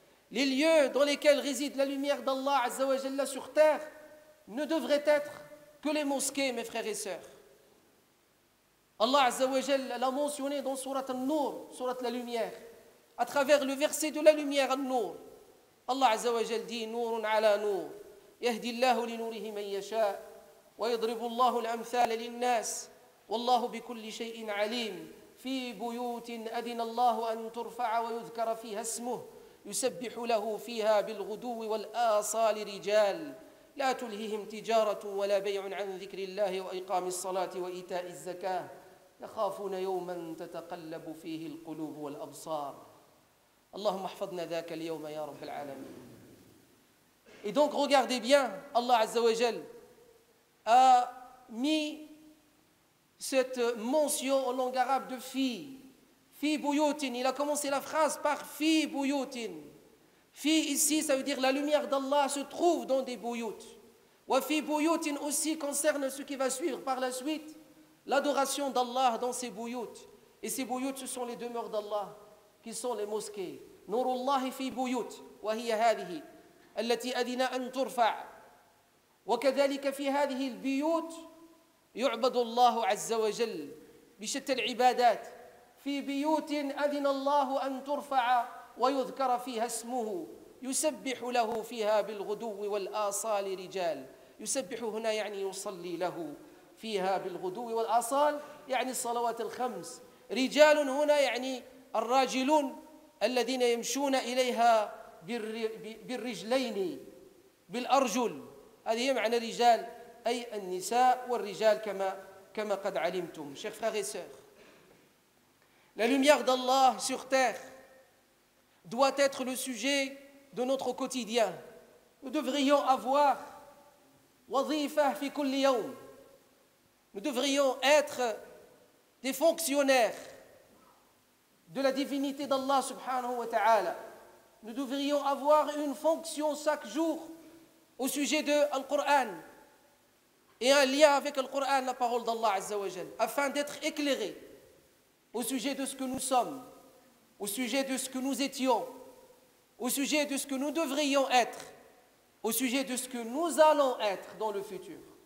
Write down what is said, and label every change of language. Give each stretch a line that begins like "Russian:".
French: Les lieux dans lesquels réside la lumière d'Allah Azza wa Jal sur terre ne devraient être que les mosquées, mes frères et sœurs. Allah Azza wa Jal l'a mentionné dans surat An-Nur, surat la lumière, à travers le verset de la lumière An-Nur.
Arabic: الله عز وجل دين نور على نور يهدي الله لنوره من يشاء ويضرب الله الأمثال للناس والله بكل شيء عليم في بيوت أذن الله أن ترفع ويذكر فيها اسمه يسبح له فيها بالغدو والآصال رجال لا تلهيهم تجارة ولا بيع عن ذكر الله وإقام الصلاة وإيتاء الزكاة يخافون يوما تتقلب فيه القلوب والأبصار اللهم احفظنا ذاك اليوم يا رب العالمين.
French: Et donc regardez bien, Allah Azza wa Jal a mis cette mention en langue arabe de fi, fi buyutin. Il a commencé la phrase par fi buyutin. Fi ici, ça veut dire la lumière d'Allah se trouve dans des buyut. Wa fi buyutin aussi concerne ce qui va suivre par la suite, l'adoration d'Allah dans ses buyut. Et ces buyut, ce sont les demeures d'Allah, qui sont les mosquées.
Arabic: Nurullahi fi buyut, wa hiya hadhihi. التي أذن أن ترفع وكذلك في هذه البيوت يعبد الله عز وجل بشتى العبادات في بيوت أذن الله أن ترفع ويذكر فيها اسمه يسبح له فيها بالغدو والآصال رجال يسبح هنا يعني يصلي له فيها بالغدو والآصال يعني الصلوات الخمس رجال هنا يعني الراجلون الذين يمشون إليها بالرجلين بالأرجل هذه معنى رجال أي النساء والرجال كما قد علمتم شيخ فراغي سير
French: La lumière d'Allah sur terre doit être le sujet de notre quotidien. Nous devrions avoir
Arabic: وظيفة في كل يوم.
French: Nous devrions être des fonctionnaires de la divinité d'Allah subhanahu wa ta'ala. Nous devrions avoir une fonction chaque jour au sujet de Al-Qur'an et un lien avec Al-Qur'an, la parole d'Allah Azza wa Jal, afin d'être éclairé au sujet de ce que nous sommes, au sujet de ce que nous étions, au sujet de ce que nous devrions être, au sujet de ce que nous allons être dans le futur.